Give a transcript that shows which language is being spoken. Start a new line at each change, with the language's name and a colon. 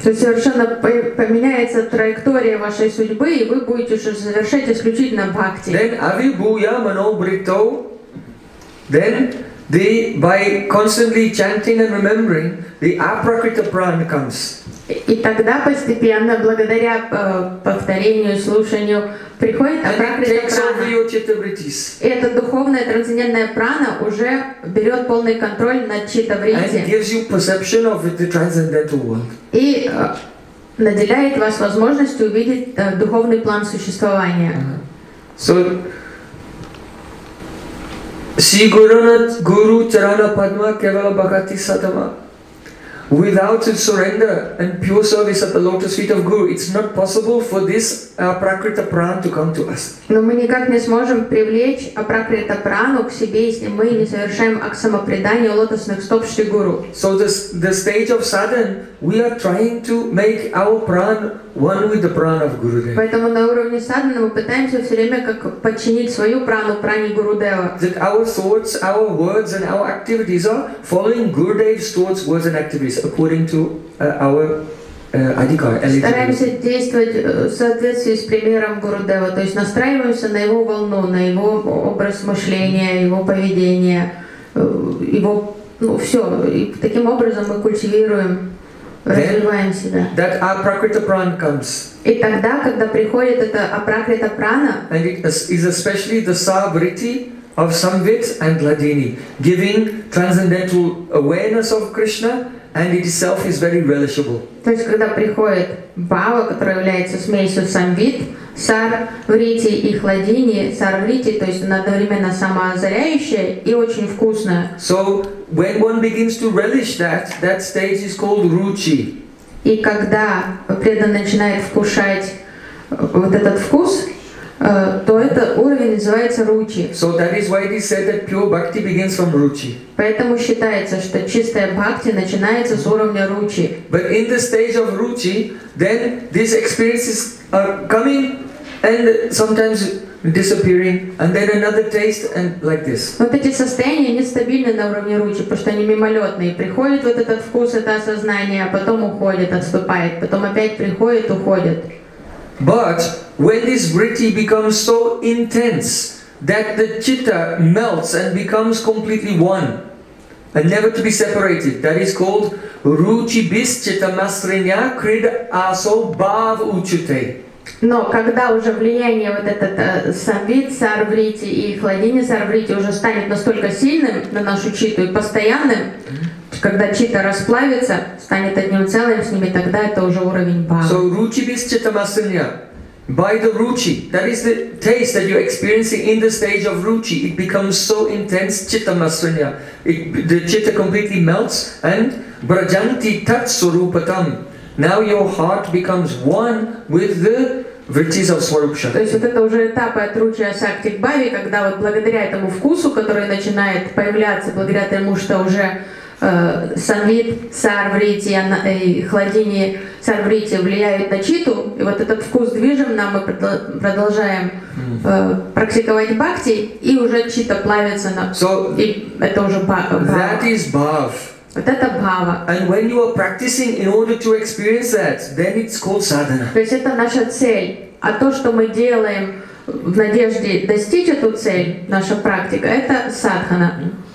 Russian: То есть совершенно поменяется траектория вашей судьбы, и вы будете уже совершать исключительно бхакти.
English: Then avibhuya manobritto, then the by constantly chanting and remembering the aprakrita prana comes.
Russian: И тогда постепенно, благодаря повторению, слушанию, приходит апракрита прана. И эта духовная трансцендентная прана уже берет полный контроль над читта-вритти. И наделяет вас возможностью увидеть духовный план существования.
Bangla: Си гуранат гуру чарана падма кевала бхакти садама.
English: Without surrender and pure service at the lotus feet of Guru, it's not possible for this Aprakrita Prana to come to us.
Russian: Но мы никак не сможем привлечь Апракрита Прану к себе, если мы не совершаем акт самопредания лотосных стоп Шри Гуру.
English: So the stage of sadhana, we are trying to make our prana one with the prana of Gurudev.
Russian: Поэтому на уровне садхана мы пытаемся все время как подчинить свою прану пране Гурудева.
English: That our thoughts, our words, and our activities are following Gurudev's thoughts, words, and activities. According to our adhikar,
Russian: стараемся действовать в соответствии с примером Гурудева, то есть настраиваемся на его волну, на его образ мышления, его поведение, его, ну все, и таким образом мы культивируем, развиваем себя.
English: That aprakrita prana comes.
Russian: И тогда, когда приходит эта апракрита прана,
English: and it is especially the sabriti of samvit and ladini, giving transcendental awareness of Krishna. And it itself is very relishable.
Russian: То есть когда приходит бхава, которая является смесью самвит, сар врити и хладини, сар врити, то есть она одновременно самоозаряющая и очень вкусная.
English: So when one begins to relish that stage is called ruchi.
Russian: И когда преданный начинает вкушать вот этот вкус, то этот уровень называется ручи.
English: So that is why it is said that pure bhakti begins from ruchi.
Russian: Поэтому считается, что чистая бхакти начинается с уровня ручи.
English: But in the stage of ruchi, then these experiences are coming and sometimes disappearing, and then another taste, and like this.
Russian: Вот эти состояния нестабильны на уровне ручи, потому что они мимолетные. Приходит вот этот вкус, это осознание, а потом уходит, отступает, потом опять приходит, уходит.
English: But when this vritti becomes so intense that the chitta melts and becomes completely one and never to be separated, that is called
Sanskrit: ruchi bis chitta masrinya krid aso bhav uchute.
Russian: Но когда уже влияние вот этот самвит сарвритти и хладини сарвритти уже станет настолько сильным на нашу читту и постоянным, когда чита расплавится, станет одним целым с ними, тогда это уже уровень бхава.
Sanskrit: So ruchi bis chitta masrinya.
English: By the ruchi, that is the taste that you're experiencing in the stage of ruchi, it becomes so intense, chitta masrinya. The chitta completely melts and
Sanskrit: brajanti tat surupatam.
English: Now your heart becomes one with the vrittis of Swarup Shakti.
Russian: То есть вот это уже этапы от ручи асакти к бхаве, когда вот благодаря этому вкусу, который начинает появляться, благодаря тому, что уже самвит, сарврити и хладини сарврити влияют на читу, и вот этот вкус движим нам, мы продолжаем практиковать бхакти, и уже чита плавится нам,
English: so,
Russian: и это уже бхава.
English: That is bhav.
Russian: Вот это бхава.
English: And when you are practicing in order to experience that, then it's called sadhana.
Russian: То есть это наша цель, а то, что мы делаем в надежде достичь эту цель, наша практика, это садхана.